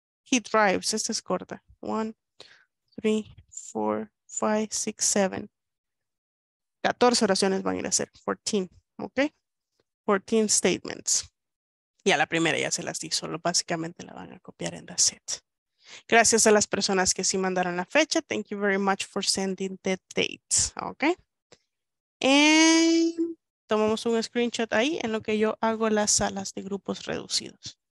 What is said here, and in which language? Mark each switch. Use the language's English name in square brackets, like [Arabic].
[English] He drives, [Spanish] esta es corta. 1, 3, 4, 5, 6, 7. 14 oraciones van a ir a hacer. 14, ¿ok? [English] 14 statements. [Spanish] Y a la primera ya se las di, solo básicamente la van a copiar en the set. Gracias a las personas que sí mandaron la fecha. [English] Thank you very much for sending the dates. Ok. [Spanish] Y tomamos un screenshot ahí en lo que yo hago las salas de grupos reducidos.